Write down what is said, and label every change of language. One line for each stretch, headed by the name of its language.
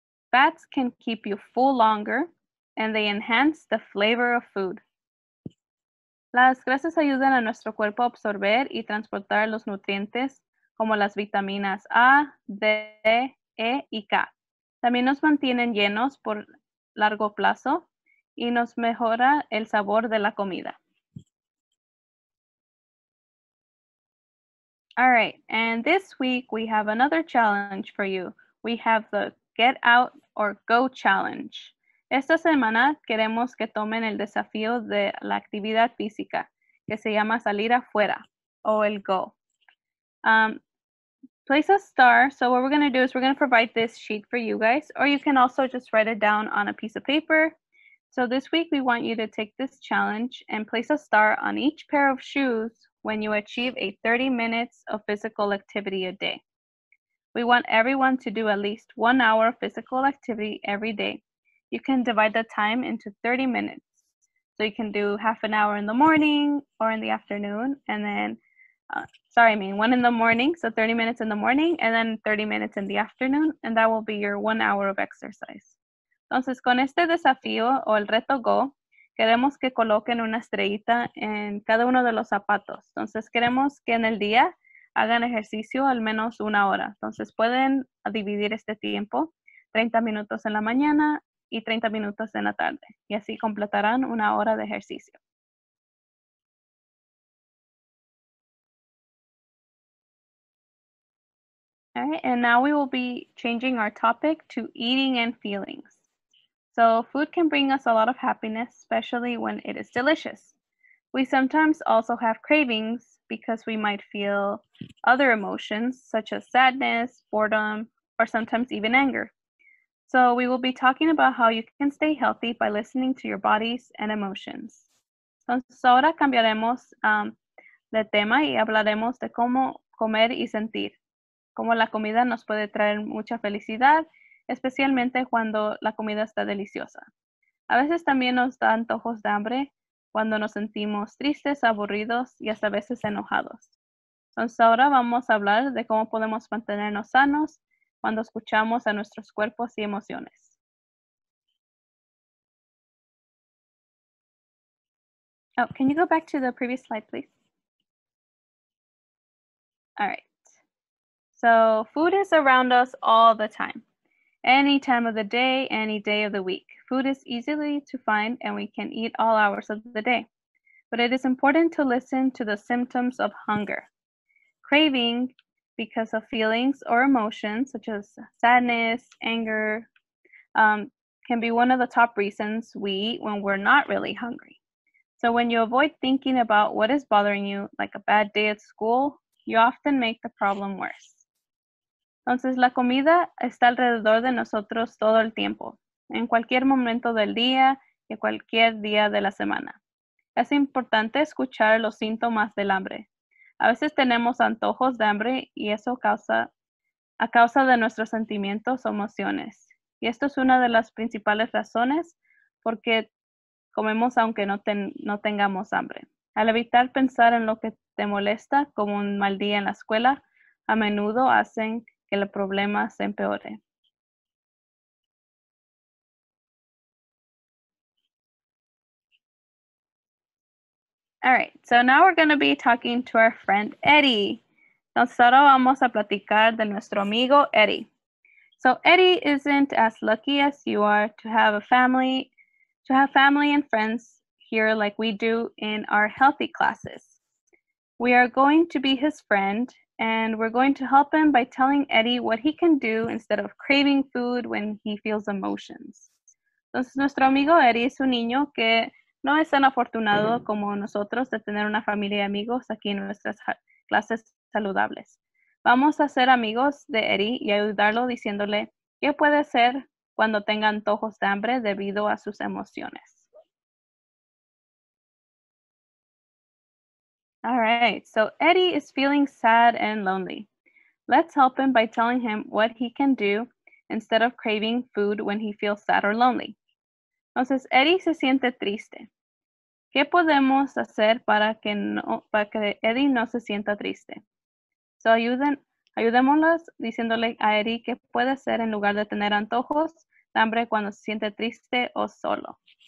English: Fats can keep you full longer, and they enhance the flavor of food.
Spanish: Las grasas ayudan a nuestro cuerpo a absorber y transportar los nutrientes, como las vitaminas A, D, E y K. También nos mantienen llenos por largo plazo y nos mejora el sabor de la comida.
English: All right, and this week we have another challenge for you. We have the Get Out or Go Challenge. Esta semana queremos que tomen el desafío de la actividad física que se llama salir afuera o el go. Place a star. So what we're going to do is we're going to provide this sheet for you guys, or you can also just write it down on a piece of paper. So this week we want you to take this challenge and place a star on each pair of shoes when you achieve a 30 minutes of physical activity a day. We want everyone to do at least 1 hour of physical activity every day. You can divide the time into 30 minutes. So you can do half an hour in the morning or in the afternoon, and then, one in the morning, so 30 minutes in the morning, and then 30 minutes in the afternoon, and that will be your 1 hour of exercise.
Spanish: Entonces, con este desafío o el reto Go, queremos que coloquen una estrellita en cada uno de los zapatos. Entonces, queremos que en el día hagan ejercicio al menos 1 hora. Entonces, pueden dividir este tiempo, 30 minutos en la mañana y 30 minutos en la tarde. Y así completarán 1 hora de ejercicio.
English: All right, and now we will be changing our topic to eating and feelings. So food can bring us a lot of happiness, especially when it is delicious. We sometimes also have cravings because we might feel other emotions such as sadness, boredom, or sometimes even anger. So we will be talking about how you can stay healthy by listening to your bodies and emotions.
Spanish: Entonces ahora cambiaremos de tema y hablaremos de cómo comer y sentir. Cómo la comida nos puede traer mucha felicidad, especialmente cuando la comida está deliciosa. A veces también nos da antojos de hambre cuando nos sentimos tristes, aburridos y hasta a veces enojados. Entonces ahora vamos a hablar de cómo podemos mantenernos sanos cuando escuchamos a nuestros cuerpos y emociones.
English: Oh, can you go back to the previous slide, please? All right. So food is around us all the time. Any time of the day, any day of the week. Food is easily to find and we can eat all hours of the day. But it is important to listen to the symptoms of hunger. Craving because of feelings or emotions such as sadness, anger, can be one of the top reasons we eat when we're not really hungry. So when you avoid thinking about what is bothering you, like a bad day at school, you often make the problem worse.
Spanish: Entonces, la comida está alrededor de nosotros todo el tiempo, en cualquier momento del día y cualquier día de la semana. Es importante escuchar los síntomas del hambre. A veces tenemos antojos de hambre y eso a causa de nuestros sentimientos o emociones. Y esto es una de las principales razones por qué comemos aunque no tengamos hambre. Al evitar pensar en lo que te molesta, como un mal día en la escuela, a menudo hacen que el problema se empeore.
English: All right, so now we're going to be talking to our friend Eddie.
Spanish: Entonces ahora vamos a platicar de nuestro amigo Eddie.
English: So Eddie isn't as lucky as you are to have family and friends here like we do in our healthy classes. We are going to be his friend, and we're going to help him by telling Eddie what he can do instead of craving food when he feels emotions.
Spanish: Entonces, nuestro amigo Eddie es un niño que no es tan afortunado como nosotros de tener una familia de amigos aquí en nuestras clases saludables. Vamos a ser amigos de Eddie y ayudarlo diciéndole qué puede hacer cuando tenga antojos de hambre debido a sus emociones.
English: All right, so Eddie is feeling sad and lonely. Let's help him by telling him what he can do instead of craving food when he feels sad or lonely.
Spanish: Entonces, Eddie se siente triste. ¿Qué podemos hacer para que Eddie no se sienta triste? So ayudémoslos diciéndole a Eddie qué puede hacer en lugar de tener antojos de hambre cuando se siente triste o solo.